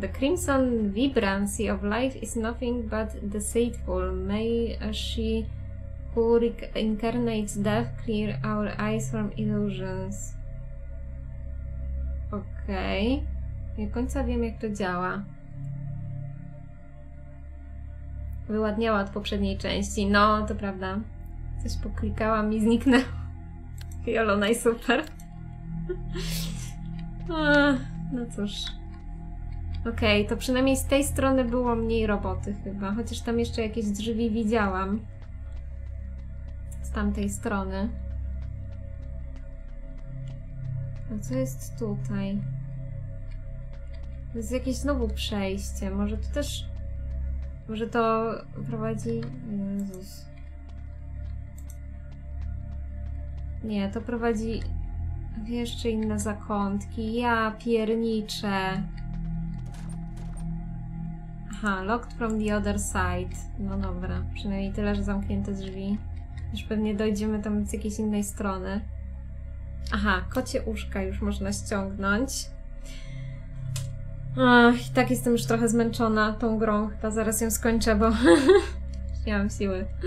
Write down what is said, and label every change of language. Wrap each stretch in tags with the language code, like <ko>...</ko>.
<en>The crimson vibrancy of life is nothing but deceitful. May she who reincarnates death clear our eyes from illusions.</en> <pl>Okej. Nie do końca wiem, jak to działa. Wyładniała od poprzedniej części. No, to prawda. Coś poklikałam i zniknęło. Jolona i super. No cóż. Okej, to przynajmniej z tej strony było mniej roboty chyba. Chociaż tam jeszcze jakieś drzwi widziałam. Z tamtej strony. A co jest tutaj? To jest jakieś znowu przejście. Może tu też... Może to prowadzi... Jezus. Nie, to prowadzi w jeszcze inne zakątki. Ja pierniczę.</pl> <en>Aha, locked from the other side.</en> <pl>No dobra, przynajmniej tyle, że zamknięte drzwi. Już pewnie dojdziemy tam z jakiejś innej strony. Aha, kocie uszka już można ściągnąć. Ach, i tak jestem już trochę zmęczona tą grą. Chyba zaraz ją skończę, bo nie mam siły.</pl>